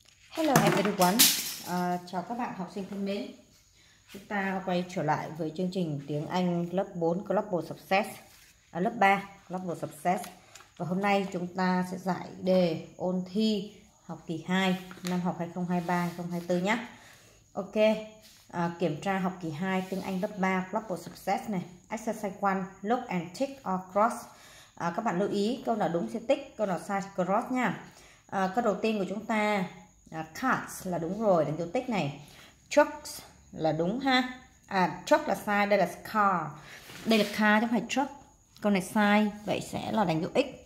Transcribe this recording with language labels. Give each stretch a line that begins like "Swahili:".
English: Hello everyone,
Vietnamese: chào các bạn học sinh thân mến. Chúng ta quay trở lại với chương trình tiếng Anh lớp 4 Global Success, lớp 3 Global Success. Và hôm nay chúng ta sẽ giải đề ôn thi học kỳ 2 năm học 2023-2024 nhé. Ok, kiểm tra học kỳ 2 tiếng Anh lớp 3 Global Success này.
English: Exercise 1, look and tick or cross.
Vietnamese: Các bạn lưu ý câu nào đúng sẽ tick, câu nào sai cross nha. Câu đầu tiên của chúng ta cards là đúng rồi, đánh dấu tích này. Trucks là đúng ha. Truck là sai, đây là car. Đây là car chứ không phải truck. Câu này sai, vậy sẽ là đánh dấu x.